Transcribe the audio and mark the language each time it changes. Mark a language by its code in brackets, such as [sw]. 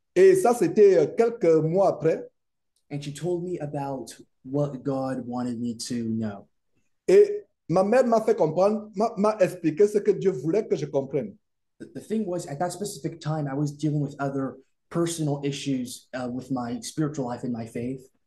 [fr] Et ça, c'était quelques mois après. [en] And she told me about what God wanted me to know. [fr] Et ma mère m'a fait comprendre, m'a expliqué ce que Dieu voulait que je comprenne. [en] The thing was, at that specific time, I was dealing with other personal issues with my spiritual life and my faith.